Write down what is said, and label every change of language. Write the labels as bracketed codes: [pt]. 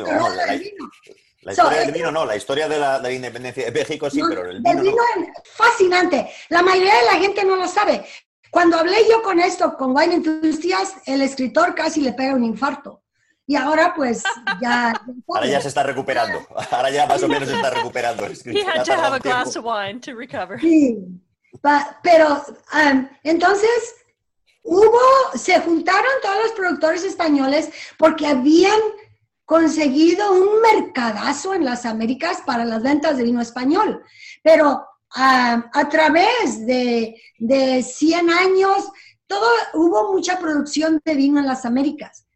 [es] Vamos, la historia del vino, no, la historia de la independencia de México, sí, no, pero el vino, no. Es fascinante. La mayoría de la gente no lo sabe. Cuando hablé yo con esto, con Wine Enthusiast, el escritor casi le pega un infarto. Y ahora, pues, ya... Ahora ya se está recuperando. Ahora ya más o menos se está recuperando el escritor. [en] He had to have a glass of wine to recover. [es] Sí, pero entonces... se juntaron todos los productores españoles porque habían conseguido un mercadazo en las Américas para las ventas de vino español. Pero a través de 100 años, hubo mucha producción de vino en las Américas.